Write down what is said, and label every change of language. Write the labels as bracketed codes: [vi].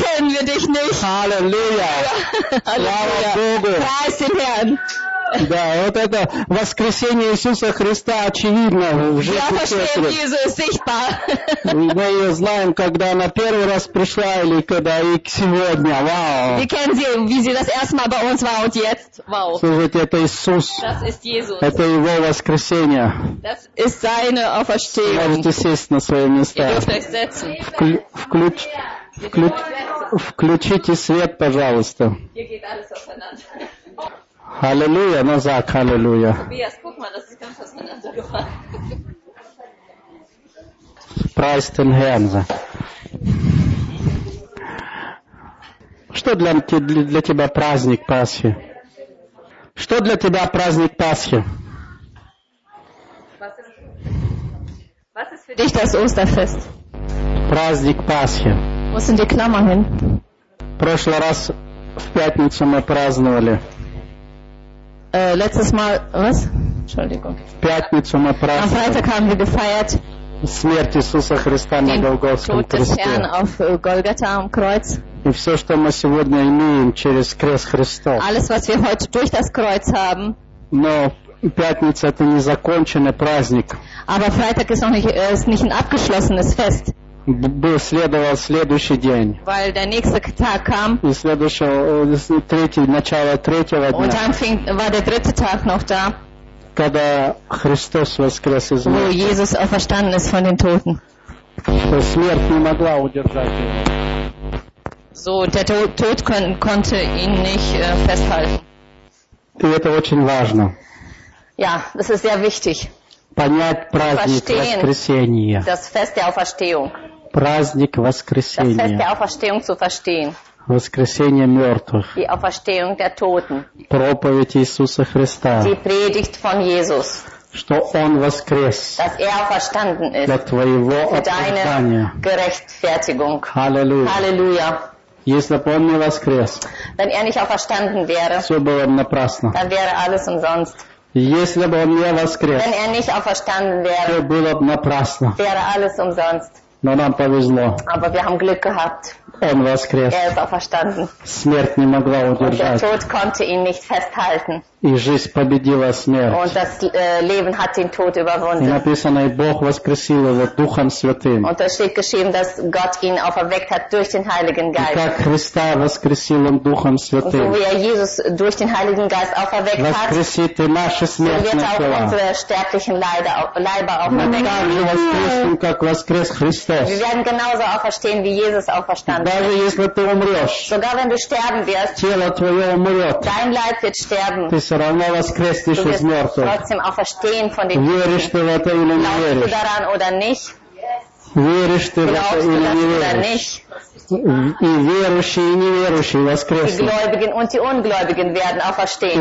[ru] Аллилуйя. Слава Богу. Да, вот это воскресение Иисуса Христа очевидно в жизни Петра. Я мы ее знаем, когда она первый раз пришла или когда и сегодня. Вау. [de] Wir kennen sie, wie sie das erste Mal bei uns war und jetzt. Wow. [ru] Слушайте, это Иисус. [de] Das ist Jesus. [ru] Это его воскресение. [de] Das ist seine Auferstehung. [ru] Можете сесть на свои места. [de] Ihr dürft euch setzen. [ru] Включите свет, пожалуйста. [de] Hier geht alles auseinander. Halleluja, na sag Halleluja. Tobias, guck mal, das ist ganz auseinandergefallen. Preist den Herrn. Was [ru] что для тебя праздник Пасхи? Что для тебя праздник Пасхи? [de] Was ist für dich das Osterfest? [ru] Праздник Пасхи. [de] Wo sind die Klammern hin? [ru] Прошлый раз в пятницу мы праздновали. [de] Letztes Mal, was? Entschuldigung. [ru] Пятницу мы праздновали. [de] Am Freitag haben wir gefeiert. [ru] Смерть Иисуса Христа на Голгофском кресте. [de] Auf Golgatha am Kreuz. [ru] И все, что мы сегодня имеем через крест Христов. [de] Alles, was wir heute durch das Kreuz haben. [ru] Но пятница это не законченный праздник. [de] Aber Freitag ist noch nicht, ist nicht ein abgeschlossenes Fest. [ru] Следовал следующий день. [de] Weil der nächste Tag kam. [ru] И следующий, начало третьего дня. [de] Und dann fing, war der dritte Tag noch da. [ru] Когда Христос воскрес из мертвых. [de] Wo Jesus auferstanden ist von den Toten. [ru] Смерть не могла удержать его. [de] So, der Tod konnte ihn nicht festhalten. [ru] И это очень важно. [de] Ja, das ist sehr wichtig. [ru] Понять праздник воскресения. [de] Das Fest der Auferstehung. [ru] Праздник воскресения. [de] Das Fest der Auferstehung zu verstehen. [ru] Воскресение мертвых. [de] Die Auferstehung der Toten. [ru] Проповедь Иисуса Христа. [de] Die Predigt von Jesus. [ru] Что Он воскрес. [de] Dass er auferstanden ist. [ru] Для твоего оправдания. [de] Für deine Gerechtfertigung. Halleluja. Halleluja. [ru] Если бы Он не воскрес. [de] Wenn er nicht auferstanden wäre. [ru] Все было напрасно. [de] Dann wäre alles umsonst. [ru] Если бы Он не воскрес, [de] wenn er nicht auferstanden wäre, [ru] все было бы напрасно. [de] Wäre alles umsonst. [ru] Но нам повезло. [de] Aber wir haben Glück gehabt. [ru] Он воскрес. [de] Er ist auferstanden. [ru] Смерть не могла удержать. [de] Und der Tod konnte ihn nicht festhalten. [ru] И жизнь победила смерть. [de] Und das Leben hat den Tod überwunden. [ru] И написано, и Бог воскресил его Духом Святым. [de] Und es steht geschrieben, dass Gott ihn auferweckt hat durch den Heiligen Geist. [ru] И как Христа воскресил он Духом Святым. [de] Und so wie er Jesus durch den Heiligen Geist auferweckt hat, [ru] воскресит и наши смертные тела. [de] So wird auch unsere sterblichen Leiber auferweckt. Wir werden genauso auferstehen, wie Jesus auferstanden. [ru] Даже если ты умрешь, [de] sogar wenn du sterben wirst, [ru] тело твое умрет, [de] dein Leib wird sterben. [ru] Ты все равно воскреснешь из мертвых. Веришь ты в это или не веришь? [de] Daran oder nicht? [ru] Веришь ты в это или не веришь? И верующие, и неверующие воскреснут. [de] Die Gläubigen und die Ungläubigen werden auferstehen.